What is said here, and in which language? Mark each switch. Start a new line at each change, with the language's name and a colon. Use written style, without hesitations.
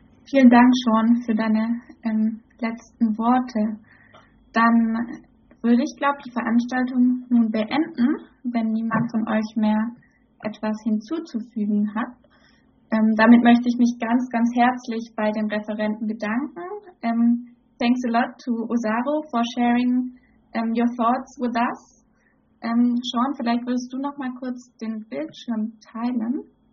German: Vielen Dank, Sean, für deine letzten Worte. Dann würde ich, glaube ich, die Veranstaltung nun beenden, wenn niemand von euch mehr etwas hinzuzufügen hat. Damit möchte ich mich ganz, ganz herzlich bei den Referenten bedanken.
English: Thanks a lot to Osaro for sharing your thoughts with us.
German: Sean, vielleicht würdest du noch mal kurz den Bildschirm teilen.